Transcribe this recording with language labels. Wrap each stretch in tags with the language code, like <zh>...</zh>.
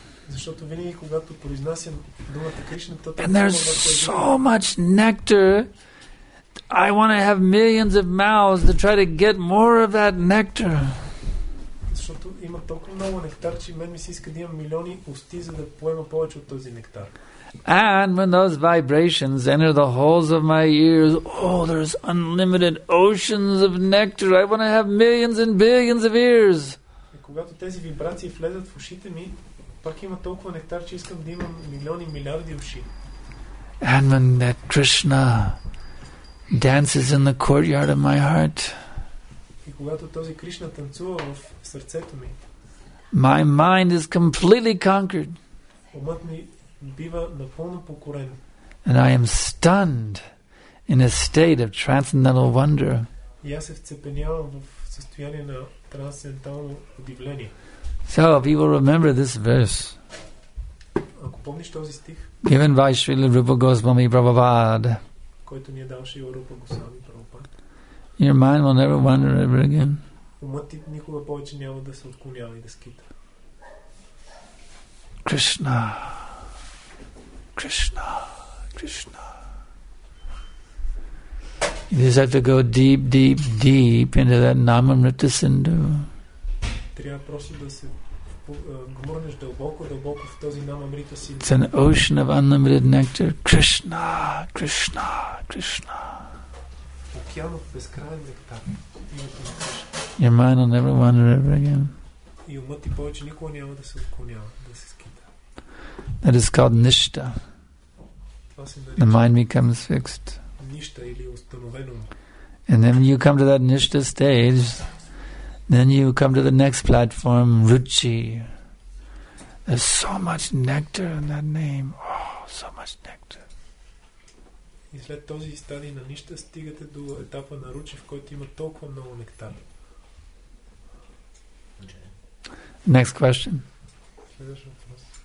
<bg>Защото винаги когато произнасям думата Кришна, то</bg> <en>And there's so much nectar. I want to have millions of mouths to try to get more of that nectar.</en> <bg>Защото има толкова много нектар, че мен ми се иска да имам милиони усти, за да поема повече от този нектар.</bg> <en>And when those vibrations enter the holes of my ears, oh, there's unlimited oceans of nectar. I want to have millions and billions of ears.</en> <bg>И когато тези вибрации влезат в ушите ми, пак има толкова нектар, че искам да имам милиони, милиарди уши.</bg> <en>And when that Krishna dances in the courtyard of my heart,</en> <bg>и когато този Кришна танцува в сърцето ми,</bg> <en>my mind is completely conquered.</en> <bg>Умът ми бива напълно покорен.</bg> <en>And I am stunned in a state of transcendental wonder.</en> <bg>И аз се вцепенявам в състояние на трансцендентално удивление.</bg> <en>So, if you will remember this verse,</en> <bg>ако помниш този стих,</bg> <en>given by Srila Rupa Goswami Prabhupada,</en> <bg>който ни е дал Шрила Рупа Госвами Прабхупад,</bg> <en>your mind will never wander ever again.</en> <bg>Умът ти никога повече няма да се отклонява и да скита.</bg> <en>Krishna, Krishna, Krishna. You just have to go deep, deep, deep into that Namamrita Sindhu.</en> <bg>Трябва просто да се гмурнеш дълбоко, дълбоко в този Намамрита Синдху.</bg> <en>It's an ocean of unlimited nectar. Krishna, Krishna, Krishna.</en> <bg>Океан от безкрайен нектар.</bg> <en>Your mind will never wander ever again.</en> <bg>И умът ти повече никога няма да се отклонява, да се скита.</bg> <en>That is called nishta. The mind becomes fixed.</en> <bg>Ништа или установено.</bg> <en>And then you come to that nishta stage, then you come to the next platform, Ruchi. There's so much nectar in that name. Oh, so much nectar.</en> <bg>И след този стадий на нищо стигате до етапа на Ruchi, в който има толкова много нектар.</bg> <en>Next question.</en> <bg>Следващ въпрос.</bg>